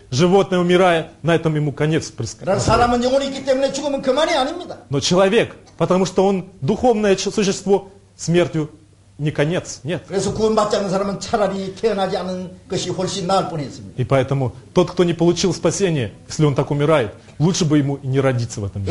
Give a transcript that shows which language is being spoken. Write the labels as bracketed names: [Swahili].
[Russian] Животное умирает, на этом ему конец предсказан. [Korean] 사람은 영혼이 있기 때문에 죽으면 그만이 아닙니다. [Russian] Но человек, потому что он духовное существо, смертью не конец, нет. [Korean] 그래서 구원받지 않는 사람은 차라리 태어나지 않은 것이 훨씬 나을 뿐이었습니다. [Russian] И поэтому тот, кто не получил спасение, если он так умирает, лучше бы ему и не родиться в этом мире.